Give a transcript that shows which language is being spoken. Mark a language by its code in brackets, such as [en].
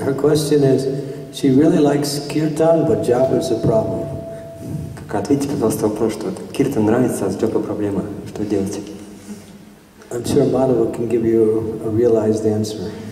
[en] Her question is, she really likes kirtan, but japa is a problem. [ru] Ответьте, пожалуйста, вопрос, что киртан нравится, а с джапой проблема. Что делать? [en] I'm sure Madhava can give you a realized answer.